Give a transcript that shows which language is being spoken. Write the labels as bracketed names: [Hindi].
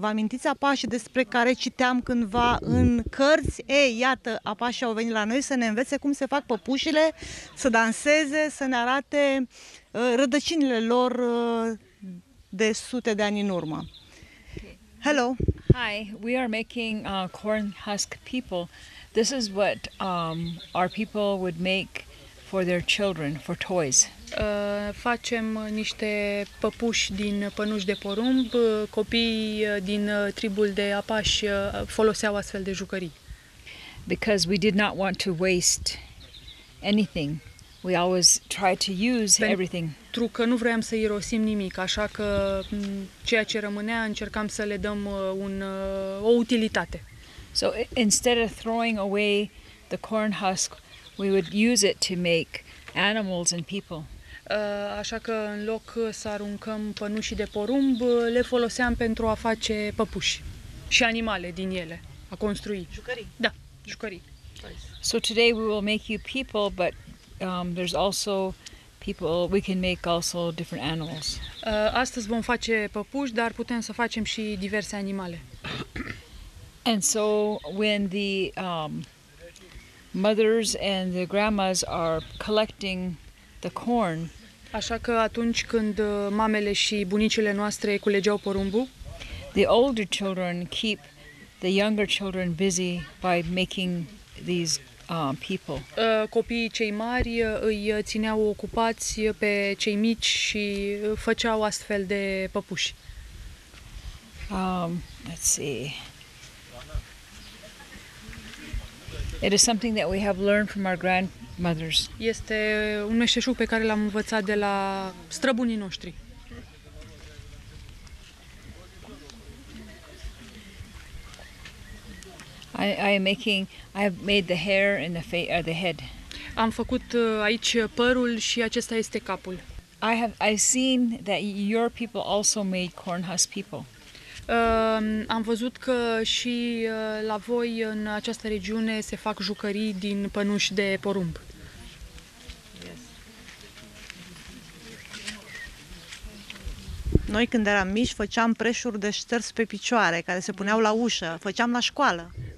[Romanian] Vă amintiți apașii despre care citeam cândva în cărți? Ei, iată, apașii au venit la noi să ne învețe cum se fac păpușile, să danseze, să ne arate rădăcinile lor de sute de ani în urmă. [English] Hello! Hi, we are making corn husk people. This is what our people would make for their children, for toys. [Romanian] Facem niște păpuși din pănuși de porumb. Copiii din tribul de apași foloseau astfel de jucării. [English] Because we did not want to waste anything. We always try to use everything. [Romanian] Pentru că nu vroiam să irosim nimic, așa că ceea ce rămânea încercam să le dăm o utilitate. [English] So instead of throwing away the corn husk, we would use it to make animals and people. [Romanian] Așa că în loc să aruncăm pănușii de porumb, le foloseam pentru a face păpuși și animale din ele, a construi. Jucării. Da, jucării. [English] So today we will make you people, but there's also people, we can make also different animals. [Romanian] Astăzi vom face păpuși, dar putem să facem și diverse animale. [English] And so when the mothers and the grandmas are collecting the corn, [Romanian] așa că atunci când mamele și bunicile noastre culegeau porumbul, [English] the older children keep the younger children busy by making these people. [Romanian] Copiii cei mari îi țineau ocupați pe cei mici și făceau astfel de păpuși. [English] Let's see. It is something that we have learned from our grandmothers. [Romanian] Este un meșteșug pe care l-am învățat de la străbunii noștri. [English] I have made the hair and the head. [Romanian] Am făcut aici părul și acesta este capul. [English] I've seen that your people also made corn husk people. [Romanian] Am văzut că și la voi în această regiune se fac jucării din pănuși de porumb. [English] Yes. [Romanian] Noi când eram mici făceam preșuri de șters pe picioare care se puneau la ușă, făceam la școală.